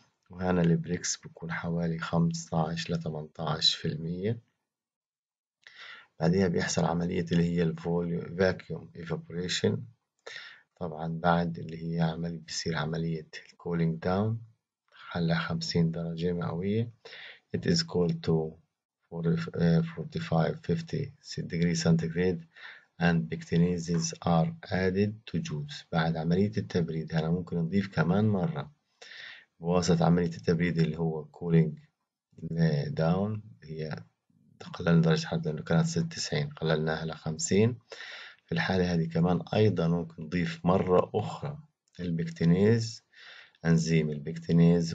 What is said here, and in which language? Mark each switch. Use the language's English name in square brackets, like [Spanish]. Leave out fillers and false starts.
[Arabic] وهنا البريكس بتكون حوالي 15 ل 18%. بعدها بيحصل عملية اللي هي الفوليوم vacuum evaporation. طبعا بعد اللي هي عمل، بصير عملية [English] cooling down [Arabic] على 50 درجة مئوية. [English] It is cold to 45-50 degrees centigrade and pectinases are added to juice. [Arabic] بعد عملية التبريد أنا ممكن نضيف كمان مرة بواسطة عملية التبريد اللي هو [English] cooling down، [Arabic] هي قللنا درجة حرارة لأنه كانت 96، قللناها ل 50. في الحالة هذه كمان أيضا ممكن نضيف مرة أخرى البكتينيز، انزيم البكتينيز.